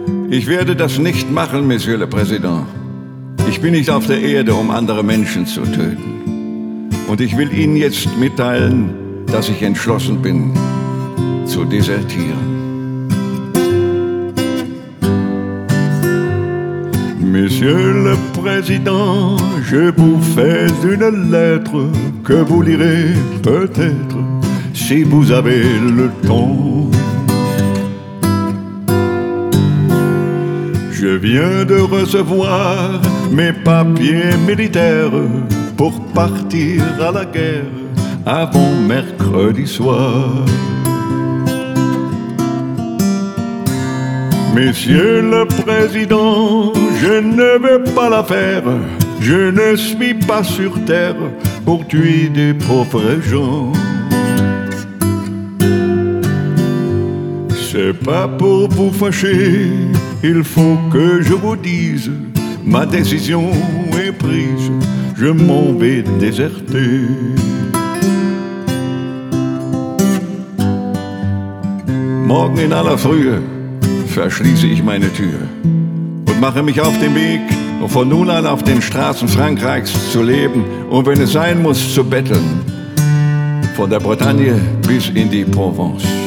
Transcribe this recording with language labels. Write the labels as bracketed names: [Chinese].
[German] Ich werde das nicht machen, [French] Monsieur le Président. [German] Ich bin nicht auf der Erde, um andere Menschen zu töten. Und ich will Ihnen jetzt mitteilen, dass ich entschlossen bin, zu desertieren. [French] Monsieur le Président, je vous fais une lettre que vous lirez peut-être si vous avez le temps. Je viens de recevoir mes papiers militaires pour partir à la guerre avant mercredi soir. Monsieur le Président, je ne vais pas la faire, je ne suis pas sur terre pour tuer des pauvres gens. C'est pas pour vous fâcher, il faut que je vous dise, ma décision est prise, je m'en vais déserter. [German] Morgen in aller Frühe verschließe ich meine Tür und mache mich auf den Weg, um von nun an auf den Straßen Frankreichs zu leben und wenn es sein muss, zu betteln, von der Bretagne bis in die Provence.